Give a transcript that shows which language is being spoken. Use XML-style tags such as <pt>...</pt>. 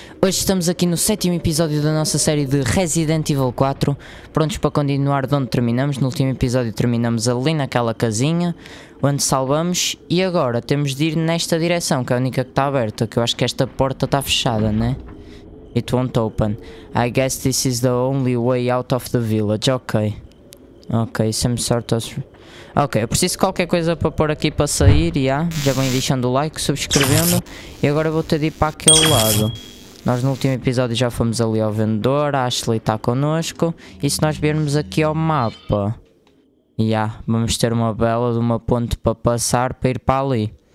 <pt>Hoje estamos aqui no 7º episódio da nossa série de Resident Evil 4. Prontos para continuar de onde terminamos. No último episódio terminamos ali naquela casinha onde salvamos. E agora temos de ir nesta direção, que é a única que está aberta. Que eu acho que esta porta está fechada, né?</pt> <en>It won't open. I guess this is the only way out of the village. Ok, some sort of...</en> <pt>Ok, eu preciso de qualquer coisa para pôr aqui para sair, já vem deixando o like, subscrevendo. E agora vou ter de ir para aquele lado. Nós no último episódio já fomos ali ao vendedor, a Ashley está connosco. E se nós virmos aqui ao mapa, vamos ter uma bela de uma ponte para passar para ir para ali.</pt>